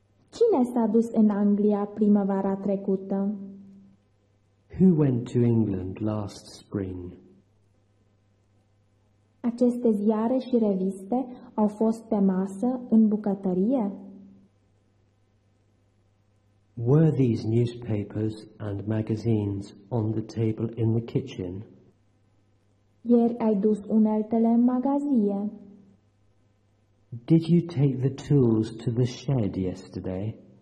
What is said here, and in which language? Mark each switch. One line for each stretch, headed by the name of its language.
Romanian: Cine s-a dus în Anglia primăvara trecută?
English: Who went to England last spring?
Romanian: Aceste ziare și reviste au fost pe masă în bucătărie?
English: Were these newspapers and magazines on the table in the kitchen?
Romanian: Ieri ai dus uneltele în magazie.
English: Did you take the tools to the shed yesterday?